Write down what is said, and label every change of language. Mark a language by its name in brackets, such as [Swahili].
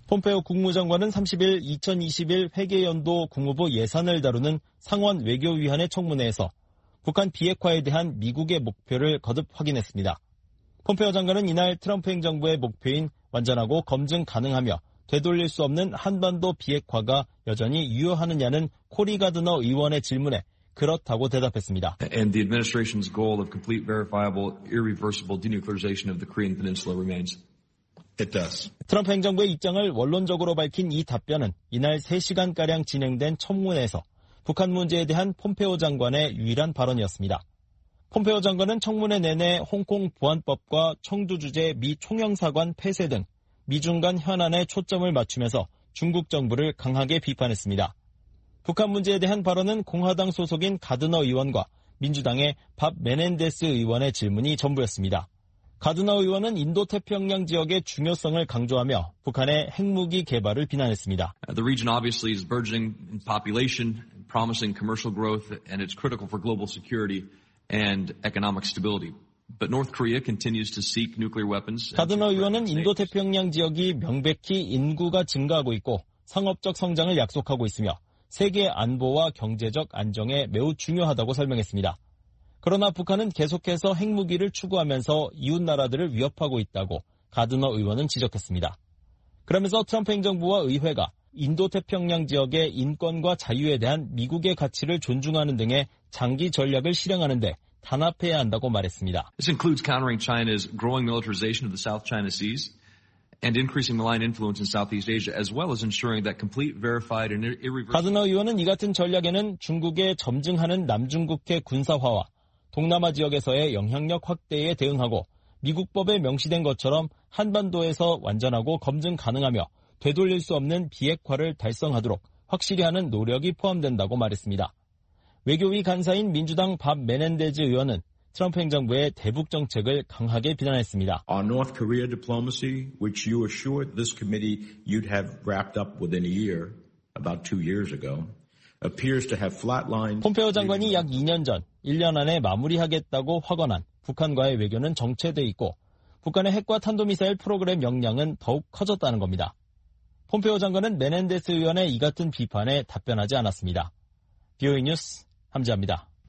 [Korean] 폼페오 국무장관은 30일 2021 회계연도 국무부 예산을 다루는 상원 외교위원회 청문회에서 북한 비핵화에 대한 미국의 목표를 거듭 확인했습니다. 폼페오 장관은 이날 트럼프 행정부의 목표인 완전하고 검증 가능하며 되돌릴 수 없는 한반도 비핵화가 여전히 유효하느냐는 코리 가드너 의원의 질문에 그렇다고 대답했습니다. [English] And the administration's goal of complete verifiable irreversible denuclearization of the Korean Peninsula remains. It does. [Korean] 트럼프 행정부의 입장을 원론적으로 밝힌 이 답변은 이날 3시간가량 진행된 청문회에서 북한 문제에 대한 폼페오 장관의 유일한 발언이었습니다. 폼페오 장관은 청문회 내내 홍콩 보안법과 청두 주재 미 총영사관 폐쇄 등 미중 간 현안에 초점을 맞추면서 중국 정부를 강하게 비판했습니다. 북한 문제에 대한 발언은 공화당 소속인 가드너 의원과 민주당의 밥 메넨데스 의원의 질문이 전부였습니다. 가드너 의원은 인도태평양 지역의 중요성을 강조하며 북한의 핵무기 개발을 비난했습니다. [English] The region obviously is burgeoning in population, promising commercial growth, and it's critical for global security and economic stability. But North Korea continues to seek nuclear weapons. [Korean] 가드너 의원은 인도태평양 지역이 명백히 인구가 증가하고 있고 상업적 성장을 약속하고 있으며 세계 안보와 경제적 안정에 매우 중요하다고 설명했습니다. 그러나 북한은 계속해서 핵무기를 추구하면서 이웃나라들을 위협하고 있다고 가드너 의원은 지적했습니다. 그러면서 트럼프 행정부와 의회가 인도태평양 지역의 인권과 자유에 대한 미국의 가치를 존중하는 등의 장기 전략을 실행하는 데 단합해야 한다고 말했습니다. [English] This includes countering China's growing militarization of the South China Seas. And increasing malign influence in Southeast Asia, as well as ensuring that complete, verified, and irreversible. [Korean] 가드너 의원은 이 같은 전략에는 중국의 점증하는 남중국해 군사화와 동남아 지역에서의 영향력 확대에 대응하고 미국법에 명시된 것처럼 한반도에서 완전하고 검증 가능하며 되돌릴 수 없는 비핵화를 달성하도록 확실히 하는 노력이 포함된다고 말했습니다. 외교위 간사인 민주당 밥 메넨데즈 의원은 트럼프 행정부의 대북 정책을 강하게 비난했습니다. [English] On North Korea diplomacy, which you assured this committee you'd have wrapped up within a year, about two years ago, appears to have flatlined. [Korean] 폼페오 장관이 약 2년 전, 1년 안에 마무리하겠다고 확언한 북한과의 외교는 정체돼 있고, 북한의 핵과 탄도미사일 프로그램 역량은 더욱 커졌다는 겁니다. 폼페오 장관은 메넨데스 의원의 이 같은 비판에 답변하지 않았습니다. BOE 뉴스 함지아입니다.